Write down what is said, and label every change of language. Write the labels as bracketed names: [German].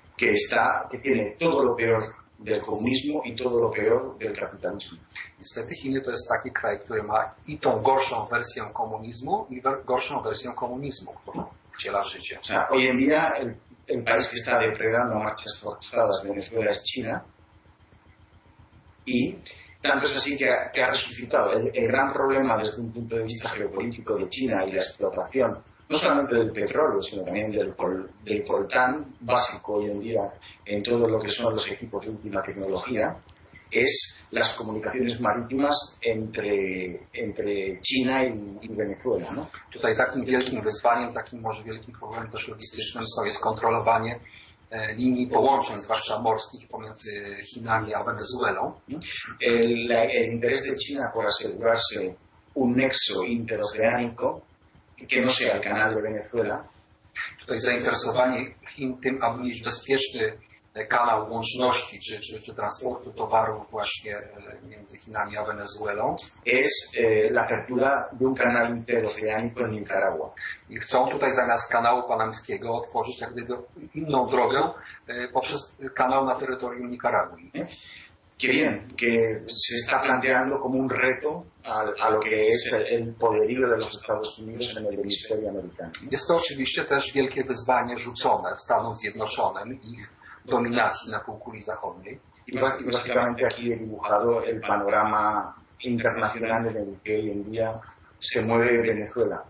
[Spanish] Que está, que tiene todo lo peor del comunismo y todo lo peor del capitalismo. [Polish] Niestety Chiny to jest taki kraj, który ma i tą gorszą wersję komunizmu, i gorszą wersję komunizmu, którą wciela w życie. [Spanish] O sea, hoy en día el país que está depredando a marchas forzadas Venezuela es China, y tanto es así que ha resucitado el gran problema desde un punto de vista geopolítico de China y la explotación. No solamente del petróleo, sino también del coltán básico hoy en día en todo lo que son los equipos de última tecnología, es las comunicaciones marítimas entre China y Venezuela, ¿no? [Polish] Tutaj takim wielkim wyzwaniem, takim może wielkim problemem też logistycznym jest kontrolowanie linii połączeń, zwłaszcza morskich, pomiędzy Chinami a Wenezuelą. [Spanish] El interés de China por asegurarse un nexo interoceánico que no sea el canal de Venezuela. [Polish] Tutaj zainteresowanie Chin tym, aby mieć bezpieczny kanał łączności czy transportu towarów właśnie między Chinami a Wenezuelą. [Spanish] Es la apertura de un canal interoceánico en Nicaragua. [Polish] I chcą tutaj zamiast kanału panamskiego otworzyć jak gdyby inną drogę poprzez kanał na terytorium Nikaragui. [Spanish] Qué bien, que se está planteando como un reto a lo que es el poderío de los Estados Unidos en el hemisferio americano. [Polish] Jest to oczywiście też wielkie wyzwanie rzucone Stanom Zjednoczonym i ich dominacji na półkuli zachodniej. [Spanish] Y básicamente aquí he dibujado el panorama internacional en el que hoy en día se mueve Venezuela.